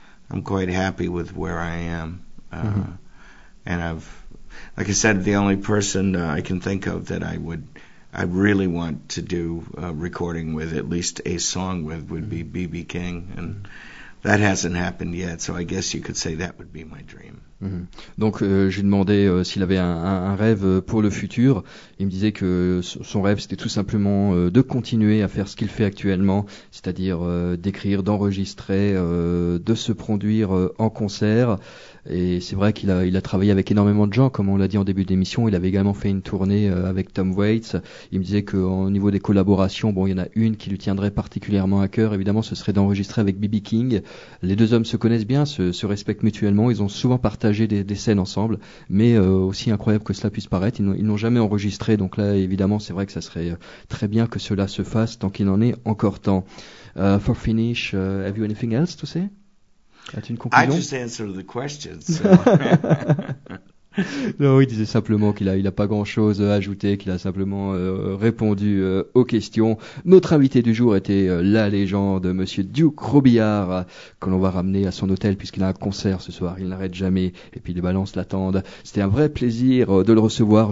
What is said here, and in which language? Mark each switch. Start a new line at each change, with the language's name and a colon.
English: I'm quite happy with where I am. And I've, like I said, the only person I can think of that I really want to do a recording with, at least a song with, would be B.B. King. And that hasn't happened yet, so I guess you could say that would be my dream.
French: Donc j'ai demandé s'il avait un rêve pour le futur. Il me disait que son rêve c'était tout simplement de continuer à faire ce qu'il fait actuellement, c'est-à-dire d'écrire, d'enregistrer, de se produire en concert. Et c'est vrai qu'il a travaillé avec énormément de gens, comme on l'a dit en début d'émission. Il avait également fait une tournée avec Tom Waits. Il me disait qu'au niveau des collaborations, bon, il y en a une qui lui tiendrait particulièrement à cœur, évidemment, ce serait d'enregistrer avec B.B. King. Les deux hommes se connaissent bien, se respectent mutuellement, ils ont souvent partagé des scènes ensemble, mais aussi incroyable que cela puisse paraître, ils n'ont jamais enregistré. Donc là, évidemment, c'est vrai que ça serait très bien que cela se fasse tant qu'il en est encore temps.
English: For finish, have you anything else to say? I just answered the question.
French: Non, il disait simplement qu'il n'a pas grand-chose à ajouter, qu'il a simplement répondu aux questions. Notre invité du jour était la légende, M. Duke Robillard, que l'on va ramener à son hôtel puisqu'il a un concert ce soir. Il n'arrête jamais et puis les balances l'attendent. C'était un vrai plaisir de le recevoir.